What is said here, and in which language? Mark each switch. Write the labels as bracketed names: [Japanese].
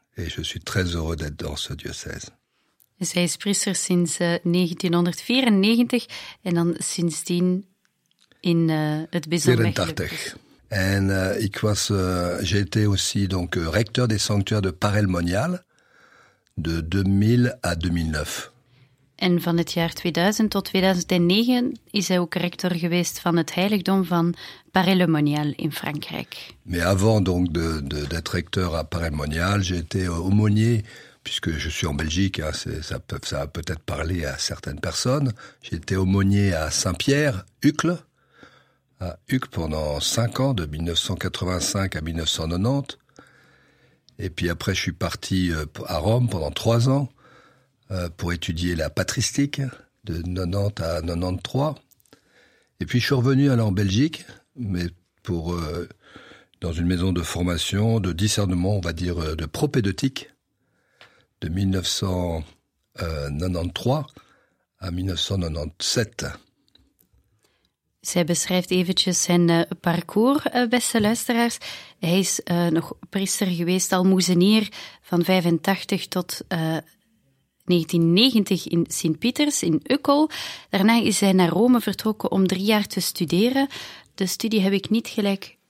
[French] Et je suis très heureux d'être dans ce diocèse. [Dutch] Dus hij is priester sinds 1994 en dan sindsdien in het bijzonder. 84. En ik was, [French] j'ai été aussi donc recteur des sanctuaires de Paray-le-Monial de 2000 à 2009. [Dutch] En van het jaar 2000 tot 2009 is hij ook rector geweest van het heiligdom van Paray-le-Monial in Frankrijk. [French] Mais avant donc d'être recteur à Paray-le-Monial, j'ai été aumônier. Puisque je suis en Belgique, hein, ça a peut-être parlé à certaines personnes. J'ai été aumônier à Saint-Pierre, à Uccle pendant 5 ans, de 1985 à 1990. Et puis après, je suis parti à Rome pendant 3 ans pour étudier la patristique, de 90 à 93. Et puis je suis revenu alors en Belgique, mais pour dans une maison de formation, de discernement, on va dire, de propédeutique, de 1993 à 1997. [Dutch] Zij beschrijft eventjes zijn parcours, beste luisteraars. Hij is nog priester geweest, almoezenier, van 85 tot 1990 in Sint-Pieters, in Uccle. Daarna is hij naar Rome vertrokken om 3 jaar te studeren. De studie heb ik niet gelijk